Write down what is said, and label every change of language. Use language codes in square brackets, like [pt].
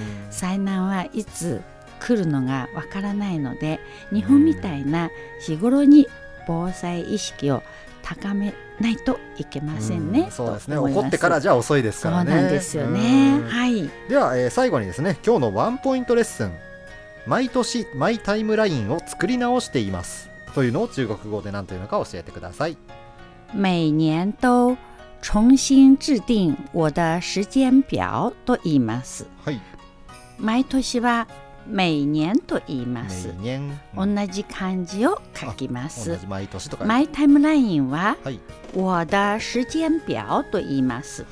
[ja] 災難はいつ来るのがわからないので、日本みたいな日頃に防災意識を高めないといけませんね。そうですね、起こってからじゃ遅いですからね。そうなんですよね、はい。では、最後にですね、今日のワンポイントレッスン、毎年マイタイムラインを作り直していますというのを中国語で何というのか教えてください。 [zh] 每年都重新制定我的时间表 [ja] と言います、はい、毎年は每年と言います。 [zh] 每年、 [ja] うん、同じ漢字を書きます。同じ毎年とか、マイタイムラインは [zh] 我的时间表 [ja] と言います、